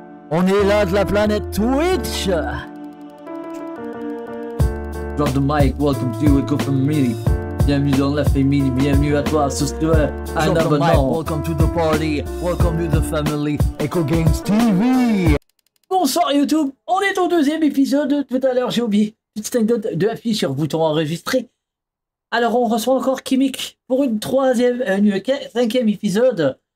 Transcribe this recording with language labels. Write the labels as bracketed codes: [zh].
[fr] On est là de la planète Twitch! [en] Drop the mic, welcome to the family. [fr] Bienvenue dans la famille, bienvenue à toi, ce que tu es. [en] Drop the mic, welcome to the party, welcome to the family, Echo Games TV! [fr] Bonsoir YouTube, on est au deuxième épisode. Tout à l'heure, j'ai oublié une petite anecdote de appuyer sur le bouton enregistrer. Alors, on reçoit encore Kimik pour une troisième, cinquième épisode.